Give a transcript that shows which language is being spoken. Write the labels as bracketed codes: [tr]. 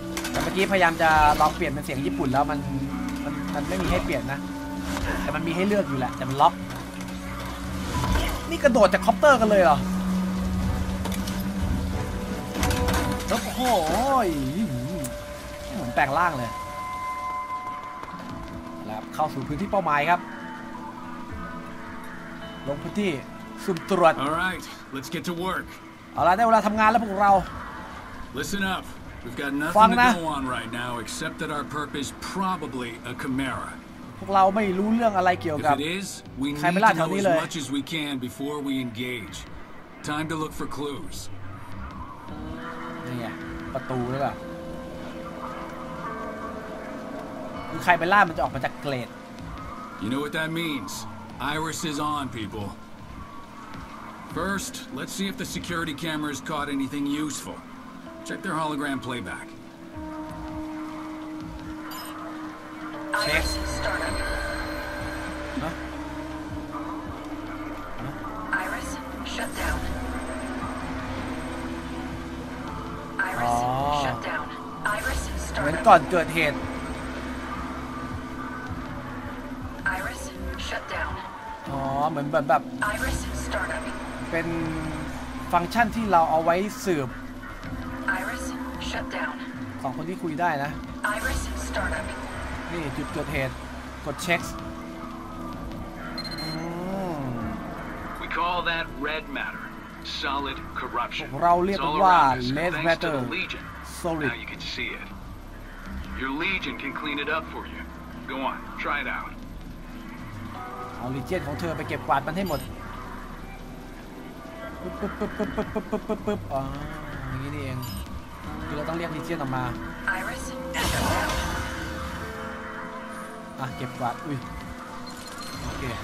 [th] แต่เมื่อกี้พยายามจะลองเปลี่ยนเป็นเสียงญี่ปุ่นแล้วมันไม่มีให้เปลี่ยนนะแต่มันมีให้เลือกอยู่แหละแต่มันล็อกนี่กระโดดจากคอปเตอร์กันเลยเหรอแล้วโอ้ยเหมือนแปลงร่างเลยครับเข้าสู่พื้นที่เป้าหมายครับลงพื้นที่สุ่มตรวจ [en] All right, let's get to work. [th] เอาล่ะได้เวลาทำงานแล้วพวกเรา [en] Listen up. We've got nothing to go on right now except that our purpose probably a chimera. [th] พวกเราไม่รู้เรื่องอะไรเกี่ยวกับ [en] If it is, we need to know as much as we can before we engage. Time to look for clues. [th] นี่ไงประตูนี่แหละคือใครไปล่ามันจะออกมาจากเกรด [en] You know what that means? Iris is on, people. First, let's see if the security cameras caught anything useful. Check their hologram playback. Check. Iris, shut down. Iris, shut down. Iris, start. [th] เหมือนก่อนเกิดเหตุ [en] Iris, shut down. [th] เหมือนแบบ [en] Iris, start. [th] เป็นฟังก์ชันที่เราเอาไว้สืบ [en] Iris, shut down. [th] สองคนที่คุยได้นะ [en] Iris, start up. [th] นี่จุดเกิดเหตุกดเช็ค [en] We call that red matter, solid corruption. [th] เราเรียกว่า [en] red matter, solid. Now you can see it. Your legion can clean it up for you. Go on, try it out. [th] เอาลีเจียนของเธอไปเก็บกวาดมันให้หมดปึ๊บอ๋ออย่างนี้นี่เองคือเราต้องเรียกลีเจียนออกมาอ่ะเก็บกวาดอุ้ยโอเค